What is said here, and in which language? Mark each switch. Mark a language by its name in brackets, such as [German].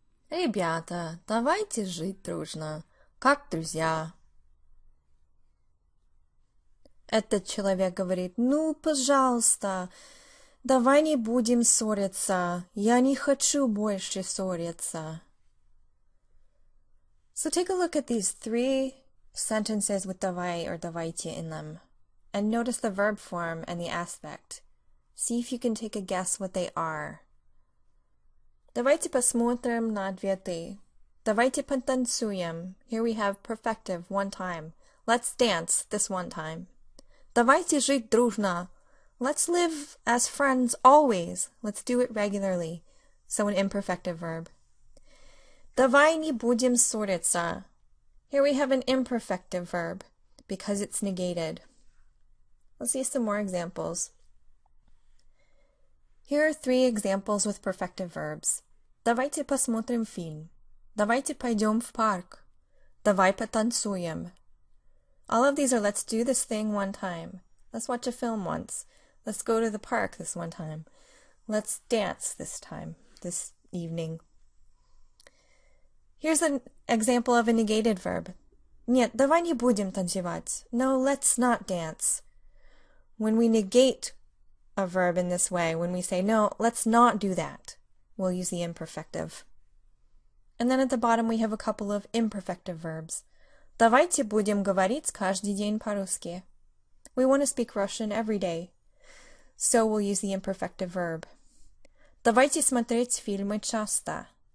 [Russian] Ребята, давайте жить дружно, как друзья. Этот человек говорит, ну, пожалуйста, давай не будем ссориться. Я не хочу больше ссориться. [English] So take a look at these three sentences with давай or давайте in them, and notice the verb form and the aspect. See if you can take a guess what they are. [Russian] Давайте посмотрим на ответы. Давайте потанцуем. [English] Here we have perfective, one time. Let's dance this one time. [Russian] Давайте жить дружно. [English] Let's live as friends always. Let's do it regularly. So an imperfective verb. [Russian] Давай не будем ссориться. [English] Here we have an imperfective verb, because it's negated. Let's see some more examples. Here are three examples with perfective verbs. [Russian] Давайте посмотрим фильм. Давайте пойдем в парк. Давай потанцуем. [English] All of these are let's do this thing one time. Let's watch a film once. Let's go to the park this one time. Let's dance this time, this evening. Here's an example of a negated verb. [Russian] Нет, давай не будем танцевать. [English] No, let's not dance. When we negate a verb in this way, when we say, no, let's not do that, we'll use the imperfective. And then at the bottom, we have a couple of imperfective verbs. [Russian] Давайте будем говорить каждый день по-русски. [English] We want to speak Russian every day. So we'll use the imperfective verb. [Russian] Давайте смотреть фильмы часто.